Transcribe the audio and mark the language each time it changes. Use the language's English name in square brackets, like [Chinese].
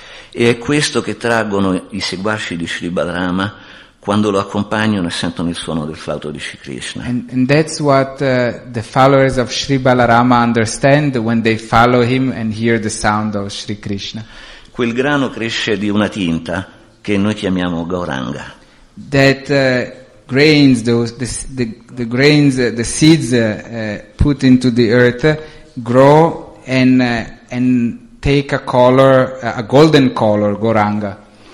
[Italian] E è questo che traggono i seguaci di Shri Balarama quando lo accompagnano e sentono il suono del flauto di Shri Krishna. [English] And that's what the followers of Shri Balarama understand when they follow him and hear the sound of Shri Krishna. [Italian] Quel grano cresce di una tinta che noi chiamiamo Gauranga. [English] That grains, the grains, the seeds put into the earth grow and take a color, a golden color, Gauranga.